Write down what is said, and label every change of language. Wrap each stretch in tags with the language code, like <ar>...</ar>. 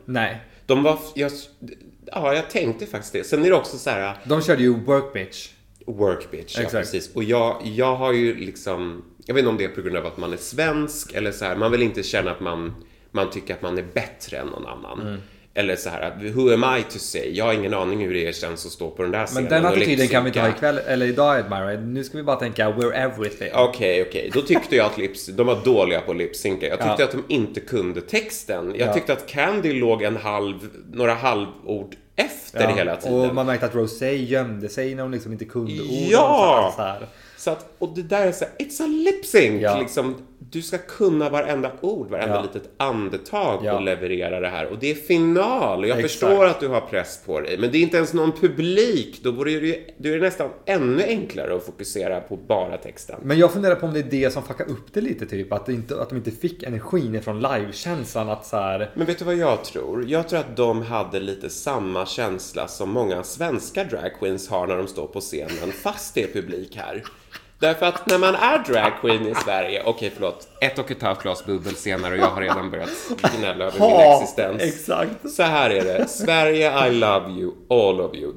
<sv>Nej. De var jag tänkte faktiskt det. Sen är det också så här, de körde ju work bitch.</sv> <en>Work bitch, exactly.</en> <sv>Ja, precis. Och jag har ju liksom, jag vet inte om det är på grund av att man är svensk eller så här, man vill inte känna att man tycker att man är bättre än någon annan. Mm. Eller så här,</sv> <en>who am I to say?</en> <sv>Jag har ingen aning hur det känns att stå på den där scenen. Men den attityden kan vi ta ikväll, eller idag, Admira. Nu ska vi bara tänka,</sv> <en>we're everything.</en> <sv>Okej. Då tyckte jag att de var dåliga på lipsynka. Jag tyckte att de inte kunde texten. Jag tyckte att Candy låg några halvord efter hela tiden. Och man märkte att Rosé gömde sig när hon liksom inte kunde ord. Ja! Och det där är så här,</sv> <en>it's a lip sync,</en> <sv>liksom, du ska kunna varenda ord, varenda litet andetag och leverera det här. Och det är final, och jag förstår att du har press på dig, men det är inte ens någon publik. Då borde du är nästan ännu enklare att fokusera på bara texten. Men jag funderar på om det är det som fuckar upp det lite, typ att de inte fick energin från live-känslan, att så här... Men vet du vad jag tror? Jag tror att de hade lite samma känsla som många svenska drag queens har när de står på scenen, fast det är publik här. Därför att när man är drag queen i Sverige, okej, förlåt, 1,5 glas bubbel senare och jag har redan börjat gnälla över min existens. Exakt. Så här är det.</sv> <en>Sverige, I love you, all of you.</en>